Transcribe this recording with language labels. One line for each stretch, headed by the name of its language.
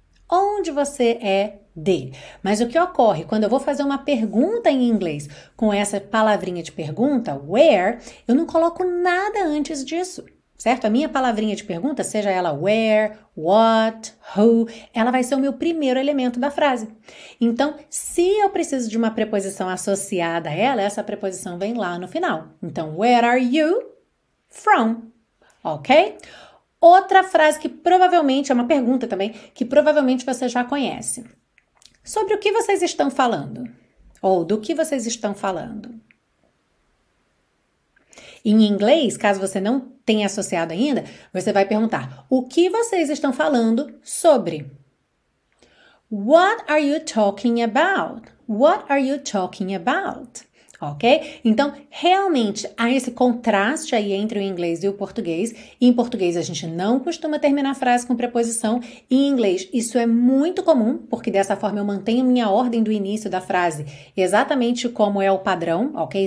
Portuguese: Onde você é de? Mas o que ocorre quando eu vou fazer uma pergunta em inglês com essa palavrinha de pergunta, where, eu não coloco nada antes disso, certo? A minha palavrinha de pergunta, seja ela where, what, who, ela vai ser o meu primeiro elemento da frase. Então, se eu preciso de uma preposição associada a ela, essa preposição vem lá no final.
English: Então, where are you from?
Portuguese: Ok? Outra frase que provavelmente, é uma pergunta também, que provavelmente você já conhece. Sobre o que vocês estão falando? Ou do que vocês estão falando? Em inglês, caso você não tenha associado ainda, você vai perguntar: o que vocês estão falando sobre?
English: What are you talking about? What are you talking about?
Portuguese: Ok? Então, realmente, há esse contraste aí entre o inglês e o português. Em português, a gente não costuma terminar a frase com preposição. Em inglês, isso é muito comum, porque dessa forma eu mantenho minha ordem do início da frase exatamente como é o padrão, ok?